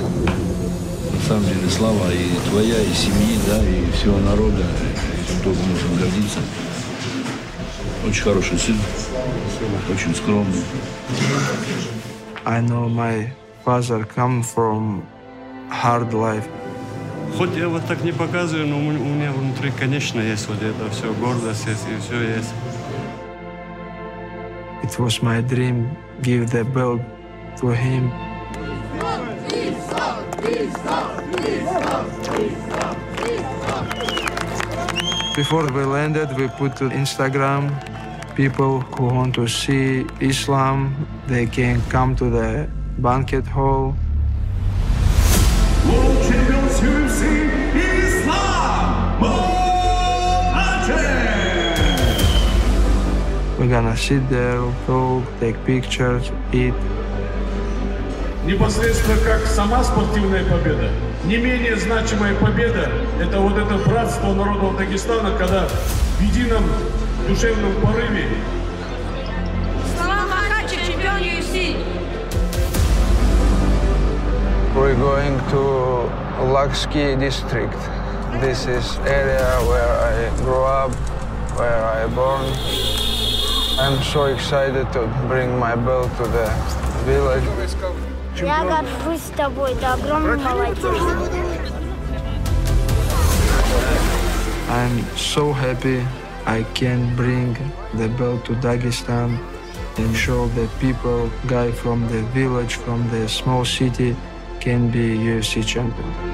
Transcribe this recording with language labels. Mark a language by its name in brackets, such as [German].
[Russian] На самом деле слава и твоя, и семьи, да, и всего народа, кто можем гордиться. Очень хороший сын, очень скромный. [English] I know my father come from hard life. [Russian] Хоть я вот так не показываю, но у меня внутри, конечно, есть вот это все, гордость есть, и все есть. [English] It was my dream, give the belt to him. Before we landed, we put to Instagram people who want to see Islam, they can come to the banquet hall. World champions UFC Islam Mohamedov! We're gonna sit there, talk, take pictures, eat. [Russian] Непосредственно как сама спортивная победа. Не менее значимая победа – это вот это братство народов Дагестана, когда в едином душевном порыве. Салам Ахачи, чемпион UFC. [English] We're going to Lakhsky district. This is area where I grew up, where I born. I'm so excited to bring my belt to the village. [Russian] Я горжусь с тобой, ты огромный молодец. [English] I'm so happy I can bring the belt to Dagestan and show the people, guy from the village, from the small city, can be UFC champion.